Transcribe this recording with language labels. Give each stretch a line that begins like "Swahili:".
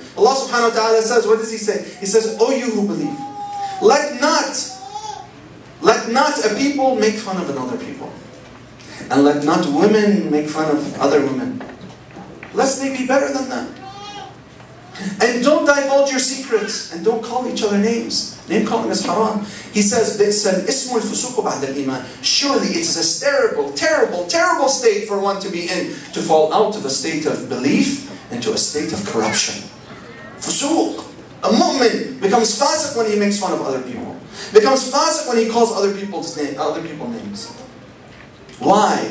English: Allah subhanahu wa ta'ala says, what does he say? He says, O you who believe, let not a people make fun of another people. And let not women make fun of other women, lest they be better than them. And don't divulge your secrets, and don't call each other names. Name calling is haram. He says,
Arabic: بِئْسَ الْإِسْمُ الْفُسُوقُ بَعْدَ الْإِيمَانِ.
English: Surely it is a terrible, terrible, terrible state for one to be in, to fall out of a state of belief into a state of corruption. Fusuq. A mu'min becomes fasiq when he makes fun of other people. becomes facet when he calls other people's name, other people names. Why?